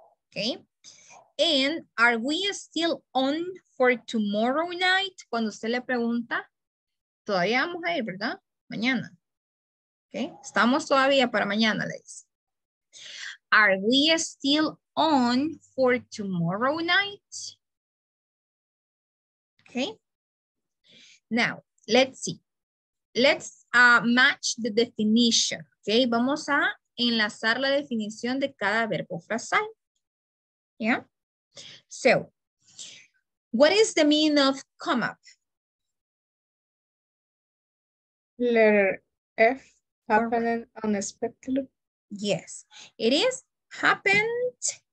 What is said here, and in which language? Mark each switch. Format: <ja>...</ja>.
<en>Okay, and are we still on for tomorrow night?</en> <es>Cuando usted le pregunta, todavía vamos a ir, ¿verdad? Mañana. Okay, estamos todavía para mañana, le dice.</es> <en>Are we still on for tomorrow night? Okay. Now, let's see. Let's match the definition. Okay.</en> <es>Vamos a enlazar la definición de cada verbo frasal.</es> <en>Yeah. So, what is the meaning of come up? Letter F, happening unexpectedly. Yes. It is happened</en>